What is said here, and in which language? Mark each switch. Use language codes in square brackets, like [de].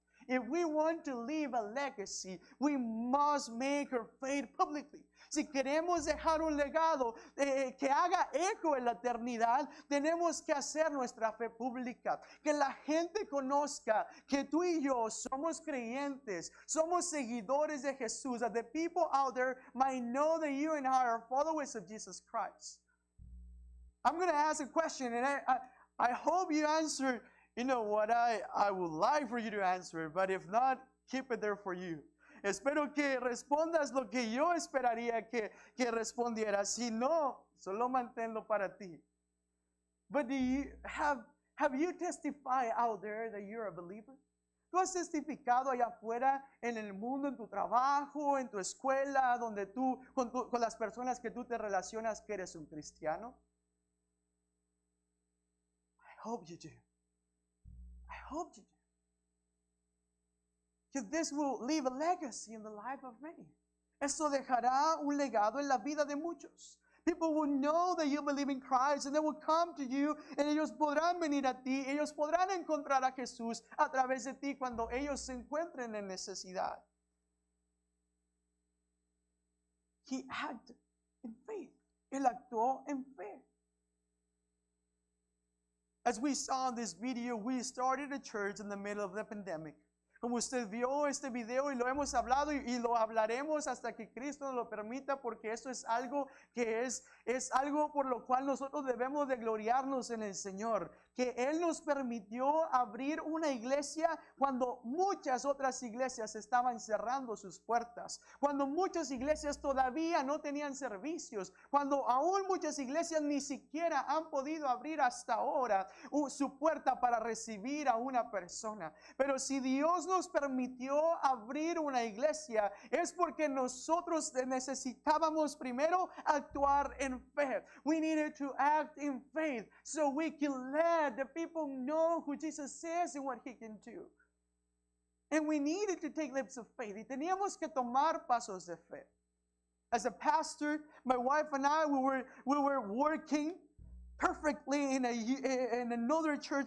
[en] If we want to leave a legacy, we must make our faith publicly. [es] Si queremos dejar un legado que haga eco en la eternidad, tenemos que hacer nuestra fe pública. Que la gente conozca que tú y yo somos creyentes, somos seguidores de Jesús. [en] That the people out there might know that you and I are followers of Jesus Christ. I'm going to ask a question, and I hope you answer. You know what, I would like for you to answer it, but if not, keep it there for you. [es] Espero que respondas lo que yo esperaría que respondieras. Si no, solo manténlo para ti. [en] But do you, have you testified out there that you're a believer? [es] ¿Tú has testificado allá afuera en el mundo, en tu trabajo, en tu escuela, donde tú, con las personas que tú te relacionas, que eres un cristiano? [en] hope you do. I hope you do. Because this will leave a legacy in the life of many. [es] Esto dejará un legado en la vida de muchos. [en] People will know that you believe in Christ and they will come to you and [es] ellos podrán venir a ti. Ellos podrán encontrar a Jesús a través de ti cuando ellos se encuentren en necesidad. [en] He acted in faith. [es] Él actuó en fe. [en] As we saw in this video, we started a church in the middle of the pandemic. [es] Como usted vio este video y lo hemos hablado y lo hablaremos hasta que Cristo nos lo permita, porque eso es algo que es algo por lo cual nosotros debemos de gloriarnos en el Señor. Que Él nos permitió abrir una iglesia cuando muchas otras iglesias estaban cerrando sus puertas. Cuando muchas iglesias todavía no tenían servicios. Cuando aún muchas iglesias ni siquiera han podido abrir hasta ahora su puerta para recibir a una persona. Pero si Dios nos permitió abrir una iglesia, es porque nosotros necesitábamos primero actuar en fe. [en] We needed to act in faith so we can let the people know who Jesus is and what he can do. And we needed to take leaps of faith. [es] Y teníamos que tomar pasos de fe. [en] As a pastor, my wife and I, we were working perfectly in another church.